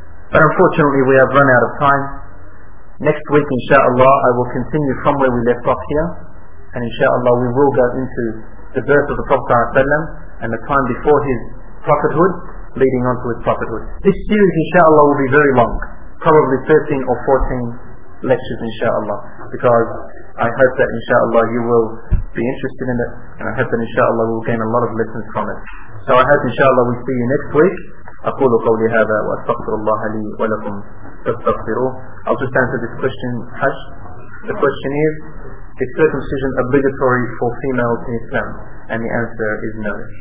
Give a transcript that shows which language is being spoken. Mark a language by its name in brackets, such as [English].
[English] But unfortunately we have run out of time. Next week inshaAllah I will continue from where we left off here, and inshaAllah we will go into the birth of the Prophet and the time before his prophethood leading on to his prophethood. This series inshaAllah will be very long, probably 13 or 14 lectures inshaAllah, because I hope that inshaAllah you will be interested in it, and I hope that inshaAllah we will gain a lot of lessons from it. So I hope inshaAllah we see you next week. [Arabic] أقول قولي هذا وأستغفر الله لي ولكم فاستغفروه. [English] I'll just answer this question, Hash. The question is, is circumcision obligatory for females in Islam? And the answer is no.